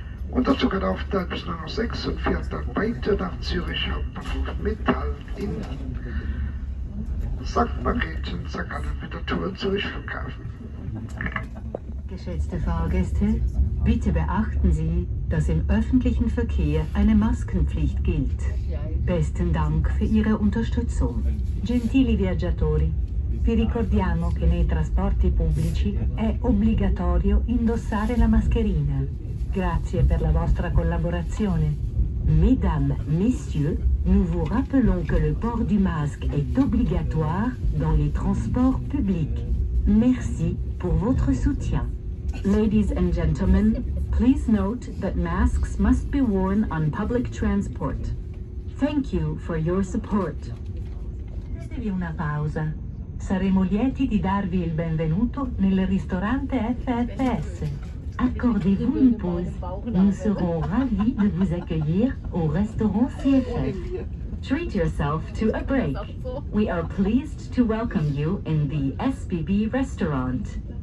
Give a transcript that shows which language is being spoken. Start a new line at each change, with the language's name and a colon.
German: Und dazu geht auf der bis Nummer 6 und fährt dann weiter nach Zürich Hauptbahnhof Metall in St. Margrethen, St. Gallen mit der Tour Zürich Flughafen. Geschätzte Fahrgäste, bitte beachten Sie, dass im öffentlichen Verkehr eine Maskenpflicht gilt. Besten Dank für Ihre Unterstützung.
Italian: Gentili viaggiatori, vi ricordiamo che nei trasporti pubblici è obbligatorio indossare la mascherina. Grazie per la vostra collaborazione.
French: Mesdames, messieurs, nous vous rappelons que le port du masque est obligatoire dans les transports publics. Merci pour votre soutien.
English: Ladies and gentlemen, please note that masks must be worn on public transport. Thank you for your support.
Italian: Chiedetevi una pausa. Saremo lieti di darvi il benvenuto nel ristorante FFS.
French: Accordez-vous une pause. Nous serons ravis de vous accueillir au restaurant CFF.
English: Treat yourself to a break. We are pleased to welcome you in the SBB restaurant.